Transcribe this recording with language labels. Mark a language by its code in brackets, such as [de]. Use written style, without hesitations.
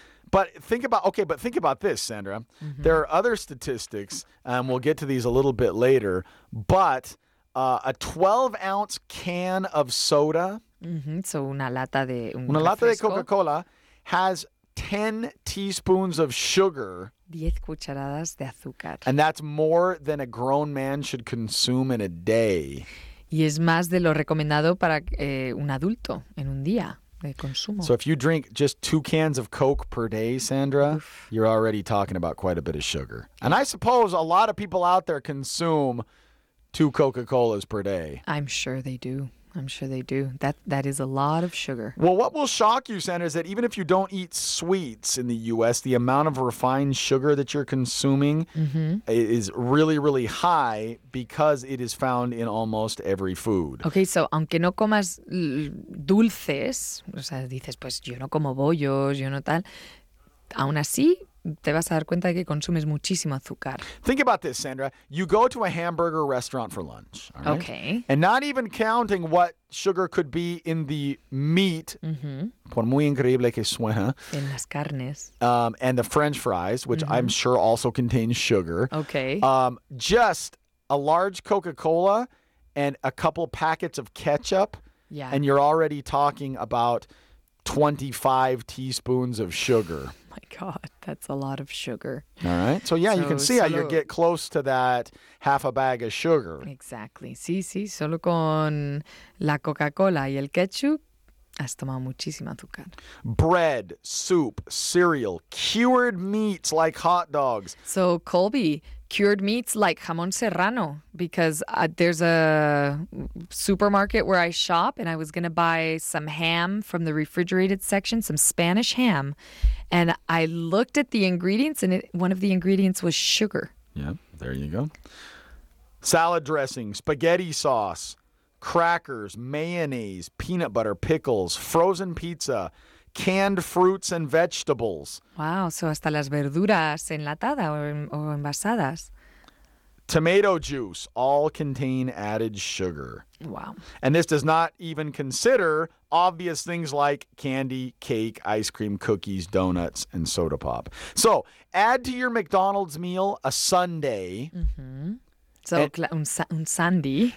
[en] But think about, okay, but think about this, Sandra. Mm-hmm. There are other statistics, and we'll get to these a little bit later, but a 12-ounce can of soda. [es] Mm-hmm. So una lata de una lata de [en] Coca-Cola has 10 teaspoons of sugar. [es] 10 cucharadas de azúcar. [en] And that's more than a grown man should consume in a day. [es] Y es más de lo recomendado para un adulto en un día. Consumo. [en] So if you drink just 2 cans of Coke per day, Sandra, oof, you're already talking about quite a bit of sugar. And I suppose a lot of people out there consume 2 Coca-Colas per day. I'm sure they do. I'm sure they do. That is a lot of sugar. Well, what will shock you, Sandra, is that even if you don't eat sweets in the U.S., the amount of refined sugar that you're consuming mm-hmm. is really, really high because it is found in almost every food. [es] Okay, so aunque no comas dulces, o sea, dices, pues yo no como bollos, yo no tal, aún así te vas a dar cuenta de que consumes muchísimo azúcar. [en] Think about this, Sandra. You go to a hamburger restaurant for lunch. All right? Okay. And not even counting what sugar could be in the meat, mm-hmm. [es] por muy increíble que suena, en las carnes, [en] and the French fries, which mm-hmm. I'm sure also contain sugar. Okay. Just a large Coca-Cola and a couple packets of ketchup, yeah, and you're already talking about 25 teaspoons of sugar. My God, that's a lot of sugar. All right. So, yeah, so, you can see how you get close to that half a bag of sugar. Exactly. [es] Sí, sí. Solo con la Coca-Cola y el ketchup, has tomado muchísima azúcar. [en] Bread, soup, cereal, cured meats like hot dogs. So, Colby, cured meats like jamón serrano, because there's a supermarket where I shop, and I was going to buy some ham from the refrigerated section, some Spanish ham. And I looked at the ingredients, and one of the ingredients was sugar. Yeah, there you go. Salad dressing, spaghetti sauce, crackers, mayonnaise, peanut butter, pickles, frozen pizza, canned fruits and vegetables. [es] Wow, so hasta las verduras enlatadas o envasadas. [en] Tomato juice, all contain added sugar. Wow. And this does not even consider obvious things like candy, cake, ice cream, cookies, donuts, and soda pop. So add to your McDonald's meal a sundae. [es] Mm-hmm. So un sundae.